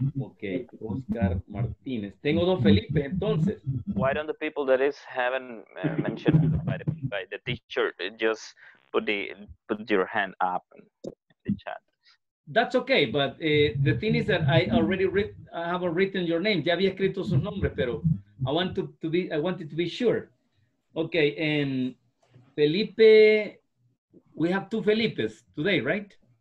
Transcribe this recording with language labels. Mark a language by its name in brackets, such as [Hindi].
[Spanish] Ok, Oscar Martínez. Tengo dos Felipe, entonces. [English] Why don't the people that is haven't mentioned by the teacher just put the put your hand up in the chat? That's okay, but the thing is that I already I have written your name. [Spanish] Ya había escrito su nombre, pero [English] I want to be, I wanted to be sure. Okay, and Felipe, we have two Felipes today, right?